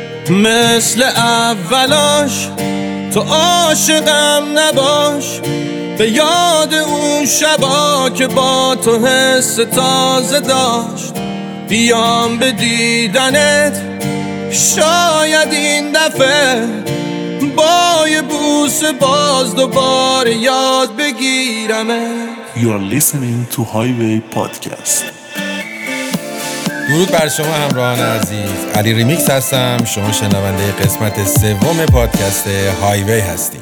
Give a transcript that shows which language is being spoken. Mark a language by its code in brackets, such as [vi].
[fa] مثل اولاش تو عاشقم نباش، به یاد اون شبا که با تو حس تازه داشت، بیام به دیدنت شاید این دفعه با یه بوس باز دوباره یاد بگیرمه. [en] You're listening to Highway Podcast. [fa] درود بر شما همراهان عزیز، علی ریمیکس هستم، شما شنونده قسمت سوم پادکست هایوی هستید.